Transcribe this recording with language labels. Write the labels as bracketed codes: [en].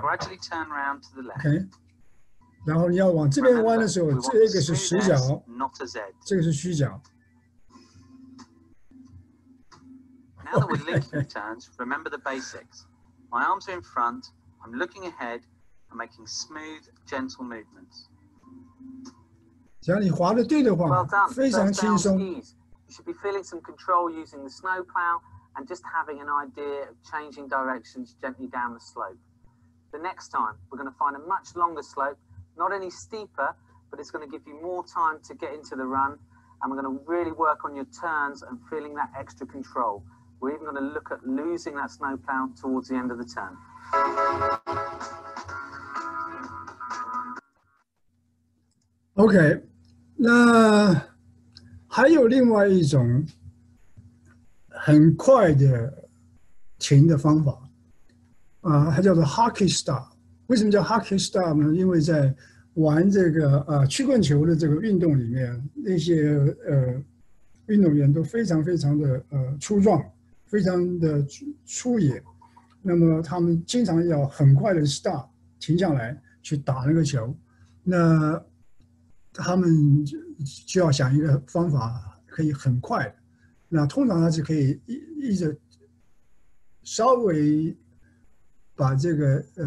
[zh] OK， 然后你要往这边弯的时候，这个是实脚，这个是虚脚。 [en] Now that we're linking turns, remember the basics. My arms are in front. I'm looking ahead. I'm making smooth, gentle movements. [zh] 只要你滑得对的话， well、非常轻松。 [en] You should be feeling some control using the snow plow. and just having an idea of changing directions gently down the slope. The next time, we're going to find a much longer slope, not any steeper, but it's going to give you more time to get into the run, and we're going to really work on your turns and feeling that extra control. We're even going to look at losing that snowplow towards the end of the turn. [zh] OK, 那还有另外一种很快的停的方法，它叫做 Hockey Stop。为什么叫 Hockey Stop 呢？因为在玩这个曲棍球的这个运动里面，那些运动员都非常非常的粗壮，非常的粗野，那么他们经常要很快的 stop 停下来去打那个球，那他们就要想一个方法可以很快，那通常他是可以一直稍微把这个